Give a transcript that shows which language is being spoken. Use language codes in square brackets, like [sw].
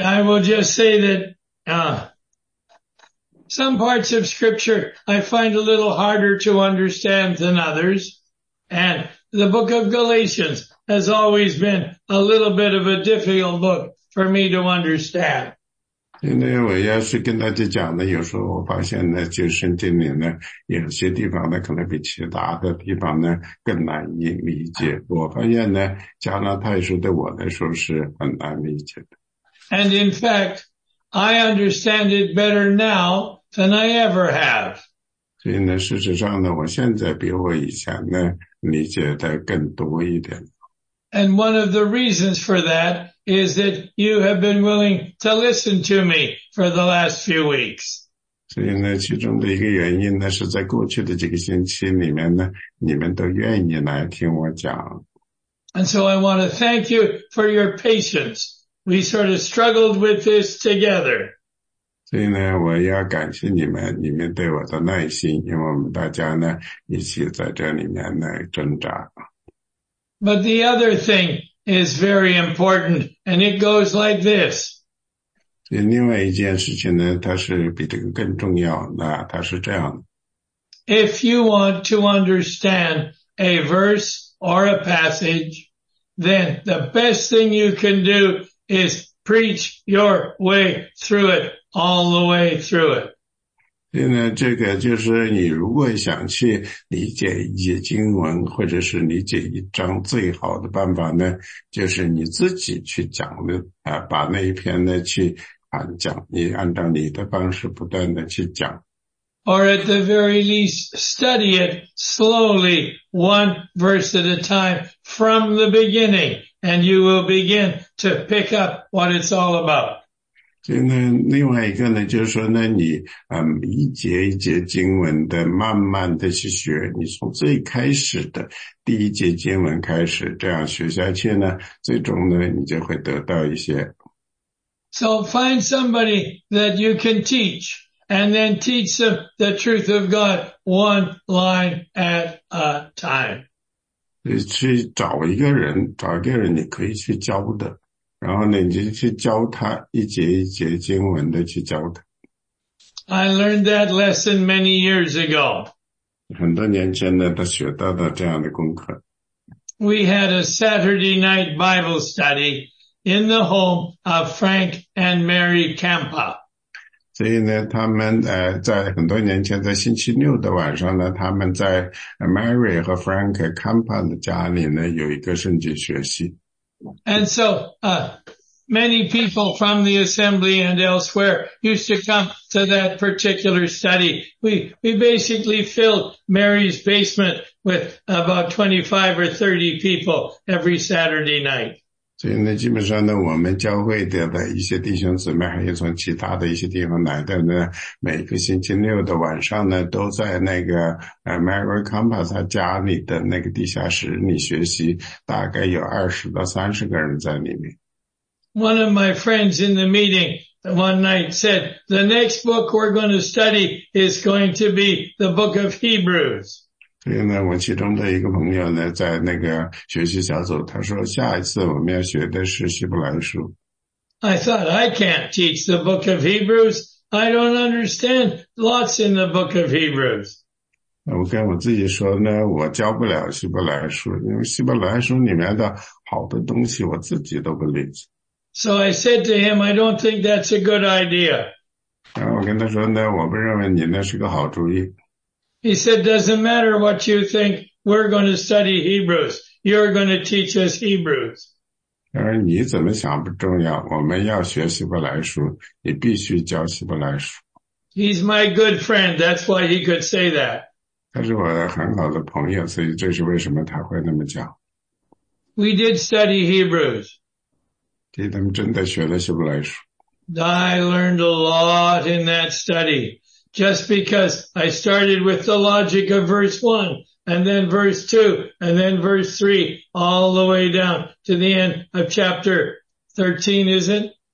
[en] I will just say that, some parts of scripture I find a little harder to understand than others. And,The book of Galatians has always been a little bit of a difficult book for me to understand. [zh] 因为我要是跟大家讲呢，有时候我发现呢，就是圣经里呢，有些地方呢，可能比其他的地方呢更难以理解。我发现呢，加拿大书对我来说是很难理解的。 [en] And in fact, I understand it better now than I ever have. [zh] 所以呢，事实上呢，我现在比我以前呢理解的更多一点。 [en] And one of the reasons for that is that you have been willing to listen to me for the last few weeks. [zh] 所以呢，其中的一个原因呢，是在过去的几个星期里面呢，你们都愿意来听我讲。 [en] And so I want to thank you for your patience. We sort of struggled with this together. [zh] 所以呢，我要感谢你们，你们对我的耐心，因为我们大家呢一起在这里面呢挣扎。 [en] But the other thing is very important, and it goes like this. [zh] 另外一件事情呢，它是比这个更重要，那它是这样的。 [en] If you want to understand a verse or a passage, then the best thing you can do is preach your way through it. All the way through it. [zh] 所以呢，这个就是你如果想去理解一些经文，或者是理解一章，最好的办法呢，就是你自己去讲的啊，把那一篇呢去讲，你按照你的方式不断的去讲。 [en] Or at the very least, study it slowly, one verse at a time, from the beginning, and you will begin to pick up what it's all about. [zh] 所以呢，另外一个呢，就是说呢，你一节一节经文的慢慢的去学，你从最开始的第一节经文开始，这样学下去呢，最终呢，你就会得到一些。 [en] So find somebody that you can teach and then teach them the truth of God one line at a time. [zh] 去找一个人，你可以去教的，然后呢，你就去教他一节一节经文的去教他。 [en] I learned that lesson many years ago. [zh] 很多年前呢，他学到了这样的功课。 [en] We had a Saturday night Bible study in the home of Frank and Mary Campa. [zh] 所以呢，他们在很多年前，在星期六的晚上呢，他们在 Mary 和 Frank Campa 的家里呢，有一个圣经学习。 [en] And so, many people from the assembly and elsewhere used to come to that particular study. We basically filled Mary's basement with about 25 or 30 people every Saturday night. [zh] 所以呢，基本上呢，我们教会的一些弟兄姊妹，还有从其他的一些地方来的呢，每个星期六的晚上呢，都在那个Mary Campus 家里的那个地下室里学习，大概有20到30个人在里面。 [en] One of my friends in the meeting one night said, the next book we're going to study is going to be the book of Hebrews. [zh] 所以呢，我其中的一个朋友呢，在那个学习小组，他说下一次我们要学的是希伯来书。 [en] I thought, I can't teach the book of Hebrews. I don't understand lots in the book of Hebrews. [zh] 我跟我自己说呢，我教不了希伯来书，因为希伯来书里面的好的东西我自己都不理解。 [en] So I said to him, I don't think that's a good idea. [zh] 然后我跟他说呢，我不认为你那是个好主意。 [en] He said, doesn't matter what you think, we're going to study Hebrews. You're going to teach us Hebrews. [zh] 他说你怎么想不重要，我们要学希伯来书，你必须教希伯来书。 [en] He's my good friend, that's why he could say that. [zh] 他是我很好的朋友，所以这是为什么他会那么讲。 [en] We did study Hebrews. [zh] 对，他们真的学了希伯来书。 [en] I learned a lot in that study. Just because I started with the logic of verse 1, and then verse 2, and then verse 3, all the way down to the end of chapter 13, is it?